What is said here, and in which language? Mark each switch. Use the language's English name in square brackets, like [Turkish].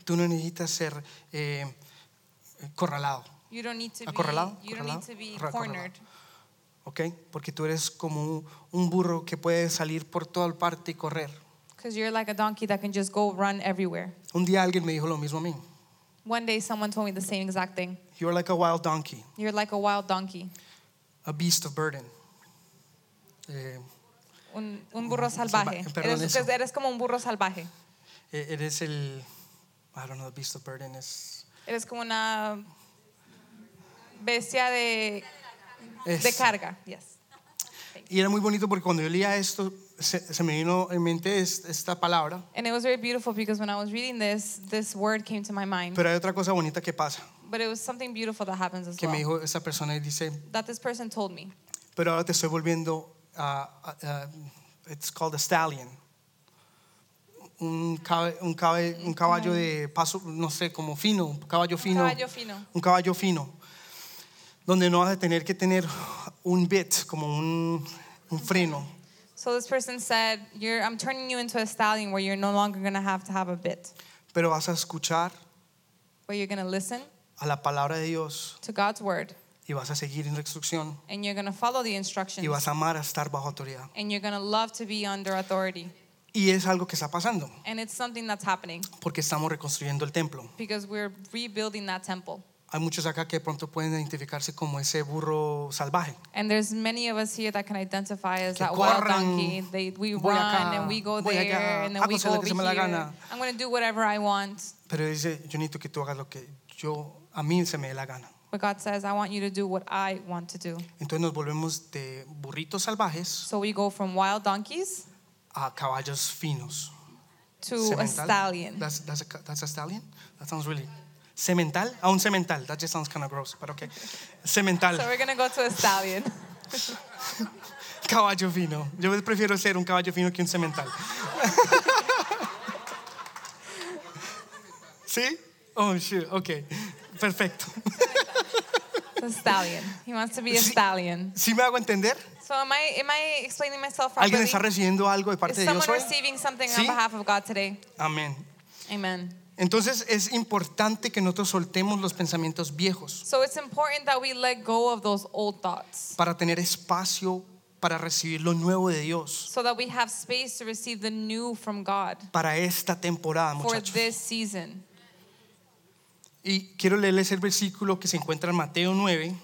[Spanish] Tú no necesitas ser acorralado. [English] You don't need to be cornered. [Spanish] Okay, porque tú eres como un burro que puede salir por toda parte y correr. [English] Because you're like a donkey that can just go run everywhere. [Spanish] Un día alguien me dijo lo mismo a mí. [English] One day someone told me the same exact thing. You're like a wild donkey. You're like a wild donkey. A beast of burden. [Spanish] Un burro salvaje. Eres como un burro salvaje. Eres el, [English] I don't know, the beast of burden is. [Spanish] Eres como una bestia de carga. [English] Yes. [Spanish] Y era muy bonito porque cuando yo leía esto, se me vino en mente esta palabra. [English] And it was very beautiful because when I was reading this, this word came to my mind. [Spanish] Pero hay otra cosa bonita que pasa. [English] But it was something beautiful that happens as well. [Spanish] Que me dijo esa persona y dice. [English] That this person told me. [Spanish] Pero ahora te estoy volviendo a, [English] it's called a stallion. [Spanish] Un caballo de paso, no sé, como fino, un caballo fino. Un caballo fino. Un caballo fino. Donde no vas a tener que tener un bit, como un freno. [English] So this person said, I'm turning you into a stallion where you're no longer going to have a bit. [Spanish] Pero vas a escuchar. [English] Where you're going to listen. [Spanish] A la palabra de Dios. [English] To God's word. [Spanish] Y vas a seguir en la instrucción. [English] And you're going to follow the instructions. [Spanish] Y vas a amar a estar bajo autoridad. [English] And you're going to love to be under authority. [Spanish] Y es algo que está pasando. [English] And it's something that's happening. [Spanish] Porque estamos reconstruyendo el templo. [English] Because we're rebuilding that temple. [Spanish] Hay muchos acá que pronto pueden identificarse como ese burro salvaje. [English] And there's many of us here that can identify as [Spanish] que [English] that [Spanish] corran, [English] wild donkey. We run [Spanish] acá, [English] and we go there [Spanish] allá, [English] and then we go over here. [Spanish] Gana. [English] I'm going to do whatever I want. [Spanish] Pero dice, yo necesito que tú hagas lo que yo, a mí se me dé la gana. [English] But God says, I want you to do what I want to do. [Spanish] Entonces nos volvemos de burritos salvajes. [English] So we go from wild donkeys. [Spanish] A caballos finos. [English] To cemental. A stallion. That's a stallion? That sounds really... Cemental? [Spanish] A un cemental. [English] That just sounds kind of gross, but okay. [Spanish] Cemental. [English] So we're going to go to a stallion. [Spanish] Caballo fino. Yo prefiero ser un caballo fino que un cemental. [English] ¿Sí? Oh, shoot. Okay. Perfecto. A stallion. He wants to be a stallion. [Spanish] ¿Sí me hago entender? [English] So am I explaining myself properly? [Spanish] ¿Alguien está recibiendo algo de parte de Dios hoy? [English] Is someone receiving something on behalf of God today? [Spanish] Amén. [English] Amen. [Spanish] Entonces es importante que nosotros soltemos los pensamientos viejos. [English] So it's important that we let go of those old thoughts. [Spanish] Para tener espacio para recibir lo nuevo de Dios. [English] So that we have space to receive the new from God. [Spanish] Para esta temporada, muchachos. [English] For this season. [Spanish] Y quiero leerles el versículo que se encuentra en Mateo 9.